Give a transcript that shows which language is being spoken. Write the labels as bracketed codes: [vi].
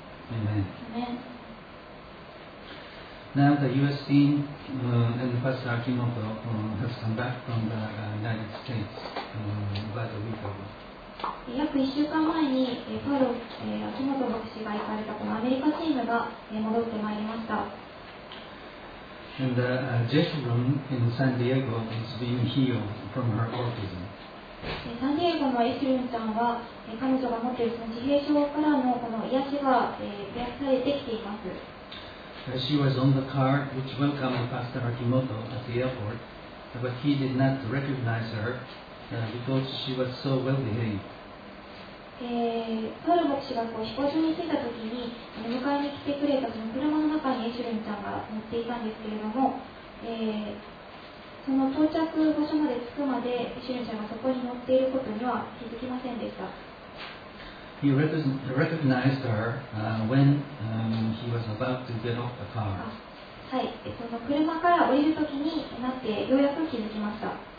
[en] Amen. Now the U.S. team and Pastor Akimoto has come back from the United States about a week ago. [ja] 約1週間前にパウロ秋元牧師が行かれたこのアメリカチームが戻ってまいりました。 [en] And the Jessie Room in San Diego is being healed from her autism. [ja] サンディエゴのエシルンちゃんは彼女が持っているその自閉症からのこの癒しが癒されてきています。 [en] She was on the car which welcomed Pastor Akimoto at the airport, but he did not recognize her because she was so well behaved. [ja] パウロ牧師が飛行場に着いたときに迎えに来てくれたその車の中にエシュレンちゃんが乗っていたんですけれども、その到着場所まで着くまでエシュレンちゃんがそこに乗っていることには気づきませんでした。 [en] He recognized her when he was about to get off the car. [ja] はい、その車から降りるときになってようやく気づきました。